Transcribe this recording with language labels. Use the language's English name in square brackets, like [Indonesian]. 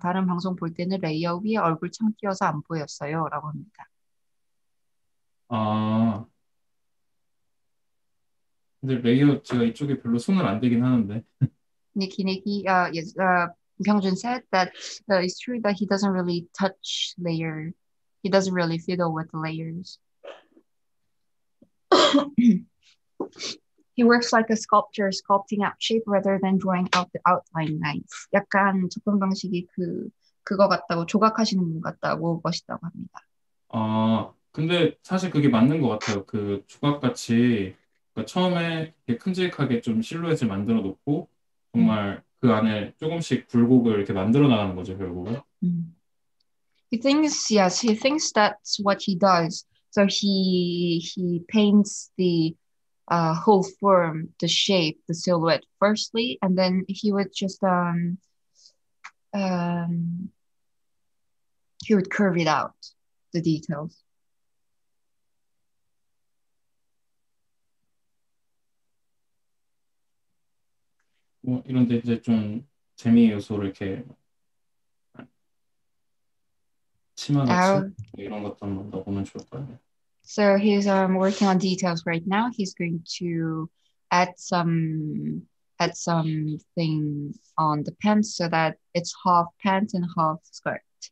[Korean] 다른 방송 볼 때는 레이어 위에 얼굴 창 띄어서 안 보였어요라고 합니다. 아, 근데 레이어 제가 이쪽에 별로 손을 안 대긴 하는데. [English] Nikki, Byungjun said that it's true that he doesn't really touch layer. He doesn't really fiddle with the layers. He works like a sculptor, sculpting out shape rather than drawing out the outline lines. [Korean] 약간 접근 방식이 그거 같다고 조각하시는 분 같다고 멋있다고 합니다. 아, 근데 사실 그게 맞는 것 같아요. 그 조각같이 그러니까 처음에 이렇게 큼직하게 좀 실루엣을 만들어 놓고 정말 그 안에 조금씩 굴곡을 이렇게 만들어 나가는 거죠, 결국은. [English] He thinks that's what he does. So he paints the whole form, the shape, the silhouette firstly, and then he would just he would curve it out, the details. [Korean] Well, 이런 데 이제 좀 재미 요소를 이렇게 치마 같이 이런 것도 한번 넣으면 좋을 것 같아요. [English] So he's working on details right now. He's going to add something on the pants so that it's half pants and half skirt.